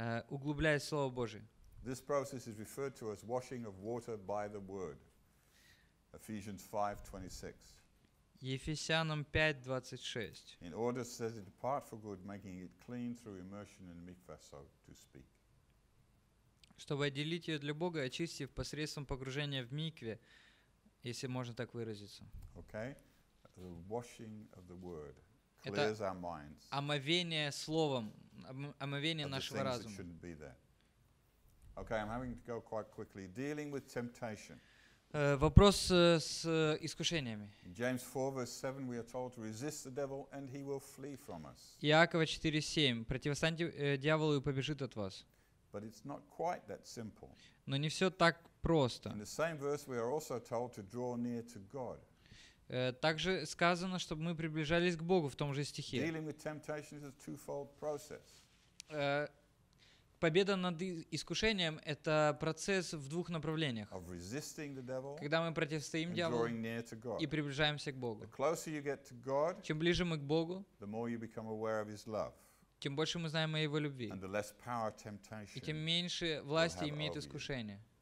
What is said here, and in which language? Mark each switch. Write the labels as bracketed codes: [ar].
[ru] Углубляя Слово Божие. [en] This process is referred to as washing of water by the word. Ephesians 5:26. [ru] Ефесянам 5:26. [en] In order says it depart for good, making it clean through immersion in mikvah, so to speak. [ru] Чтобы отделить ее для Бога, очистив посредством погружения в микве, если можно так выразиться. [en] Okay. The washing of the word clears our minds. [ru] Омовение словом, омовение нашего разума. [en] Shouldn't be there. Okay, I'm having to go quite quickly. Dealing with temptation. [ru] Вопрос с искушениями. [en] James 4, verse 7, we are told to resist the devil and he will flee from us. [ru] Иакова 4:7. Противостаньте дьяволу и побежит от вас. [en] But it's not quite that simple. [ru] Но не все так просто. [en] In the same verse we are also told to draw near to God. [ru] Также сказано, чтобы мы приближались к Богу в том же стихе. [en] Dealing with temptation is a twofold process. [ru] Победа над искушением — это процесс в двух направлениях. Когда мы противостоим дьяволу и приближаемся к Богу. [en] God, [ru] чем ближе мы к Богу, [en] love, [ru] тем больше мы знаем о Его любви. И тем меньше власти имеет искушение.